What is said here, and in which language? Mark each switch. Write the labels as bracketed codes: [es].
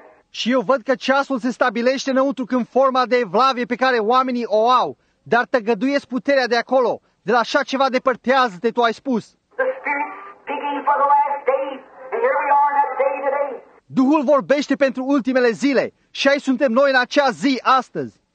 [ro] Și eu văd că ceasul se stabilește înăuntru când forma de evlavie pe care oamenii o au, dar tăgăduiesc puterea de acolo, de la așa ceva depărtează-te, tu ai spus. [en] The Spirit speaking for the last days, and here we are in that day today. [ro] Duhul vorbește pentru ultimele zile și aici suntem noi în acea zi astăzi.